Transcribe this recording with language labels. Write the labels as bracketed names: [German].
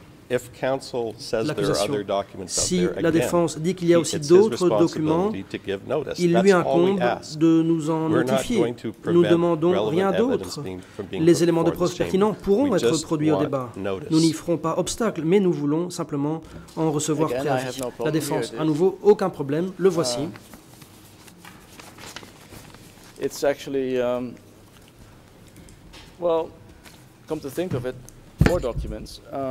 [English] If counsel says there are other documents out [French] si [English] there, [French] la défense dit qu'il y a aussi d'autres documents, il lui incombe de nous en notifier. Nous ne demandons rien d'autre. Les éléments de preuve pertinents pourront être produits au débat. Nous n'y ferons pas obstacle, mais nous voulons simplement en recevoir préavis. La défense, à nouveau, aucun problème. Le voici. [English] It's actually, well, come to think of it, four documents.